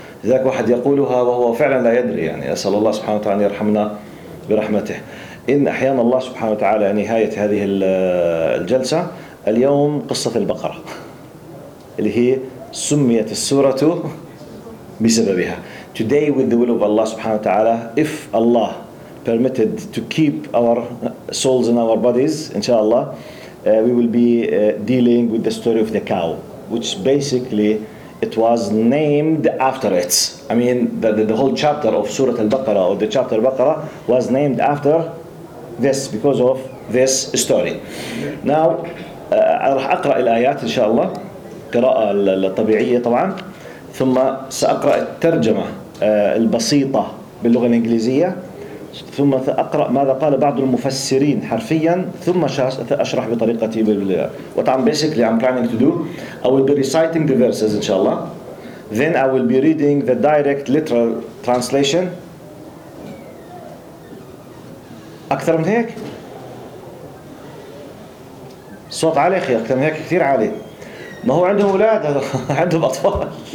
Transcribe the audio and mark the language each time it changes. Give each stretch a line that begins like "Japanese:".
Arabic: ذاك واحد يقولها وهو فعلا لا يدري. يعني أسأل الله سبحانه وتعالى يرحمنا برحمته. إن أحيانا الله سبحانه وتعالى نهاية هذه الجلسة. اليوم قصة البقرة اللي هي سميت السورة بسببها.
English: Today with the will of Allah سبحانه وتعالى, if Allah permitted to keep our souls in our bodies, inshallah, we will be dealing with the story of the cow, which basically it was named after it. I mean, the whole chapter of Surah Al-Baqarah or the chapter Baqarah was named after this, because of this story.
Arabic: Now, راح أقرأ الآيات إن شاء الله قراءة الطبيعية طبعا، ثم سأقرأ الترجمة البسيطة باللغة الإنجليزية، ثم سأقرأ ماذا قال بعض المفسرين حرفيا، ثم سأشرح بطريقتي.
English: What I'm basically I'm planning to do, I will be reciting the verses inshallah, then I will be reading the direct literal translation.
Arabic: أكثر من هيك؟ صوت عالي أخي، أكثر من هيك كثير عالي. ما هو عندهم أولاد، عندهم أطفال.